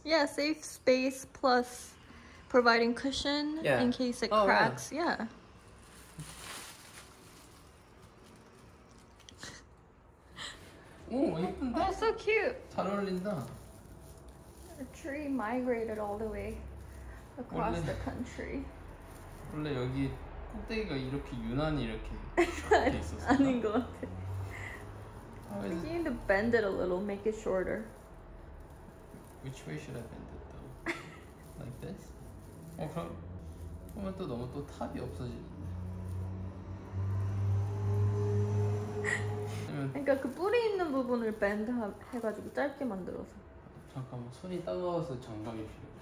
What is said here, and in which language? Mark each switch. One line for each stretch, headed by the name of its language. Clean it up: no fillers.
English: Yeah, save space plus providing cushion in case it cracks. Wow. Yeah. Oh, that's so cute.
Korean: 잘 어울린다.
English: A tree migrated all the way across 원래, the country.
Korean: 원래 여기 꼭대기가 이렇게 유난히 이렇게 아닌 것 같아.
English: I think you need to bend it a little, make it shorter. Which way should I bend it though? Like this?
Korean: Oh, 그럼 또 너무 또 탑이 없어지는데. 그러니까 그 뿌리 있는 부분을 bend 해가지고 짧게 만들어서. 잠깐만, 손이 따가워서 정감이 필요해.